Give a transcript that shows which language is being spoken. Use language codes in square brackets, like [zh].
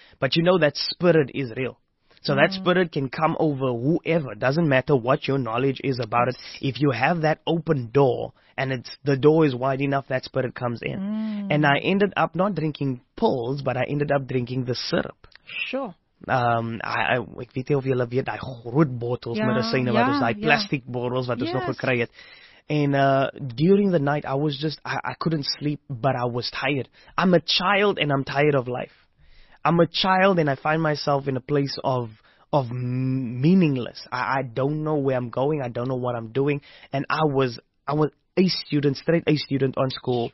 [en] But you know that spirit is real. So that spirit can come over whoever, doesn't matter what your knowledge is about it. If you have that open door and the door is wide enough, that spirit comes in. And I ended up not drinking pills, but I ended up drinking the syrup. Sure. [af] Ek weet nie of julle weet, die groot bottles medicine wat ons, die plastic bottles wat ons nog gekry het. [en] And during the night, I was just, I couldn't sleep, but I was tired. I'm a child and I'm tired of life. I'm a child and I find myself in a place of meaningless. I don't know where I'm going. I don't know what I'm doing. And I was a student, straight A student on school.